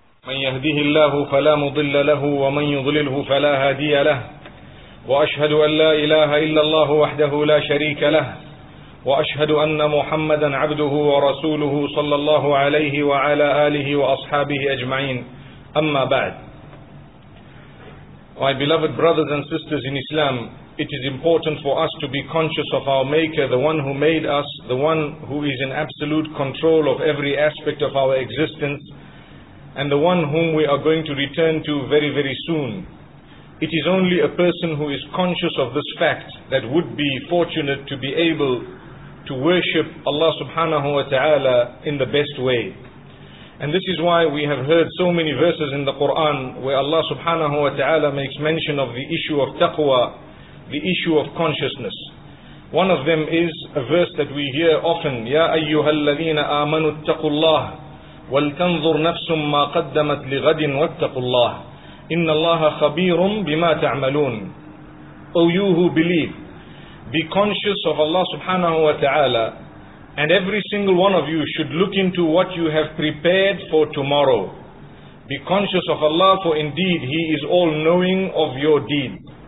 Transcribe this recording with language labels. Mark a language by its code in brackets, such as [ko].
[ar] من يهده الله فلا مضل له ومن يضلله فلا هادي له وأشهد أن لا إله إلا الله وحده لا شريك له وأشهد أن محمدا عبده ورسوله صلى الله عليه وعلى آله وأصحابه أجمعين أما بعد. [en] My beloved brothers and sisters in Islam, it is important for us to be conscious of our Maker, the one who made us, the one who is in absolute control of every aspect of our existence, and the one whom we are going to return to very, very soon. It is only a person who is conscious of this fact that would be fortunate to be able to worship Allah subhanahu wa ta'ala in the best way. And this is why we have heard so many verses in the Quran where Allah subhanahu wa ta'ala makes mention of the issue of taqwa, the issue of consciousness. One of them is a verse that we hear often, [ar] يَا أَيُّهَا الَّذِينَ آمَنُوا اتَّقُوا اللَّهِ وَلْتَنْظُرْ نَفْسٌ مَّا قَدَّمَتْ لِغَدٍ وَاتَّقُوا اللَّهِ إِنَّ اللَّهَ خَبِيرٌ بِمَا تَعْمَلُونَ. [en] O you who believe, be conscious of Allah subhanahu wa ta'ala, and every single one of you should look into what you have prepared for tomorrow. Be conscious of Allah, for indeed He is all-knowing of your deeds.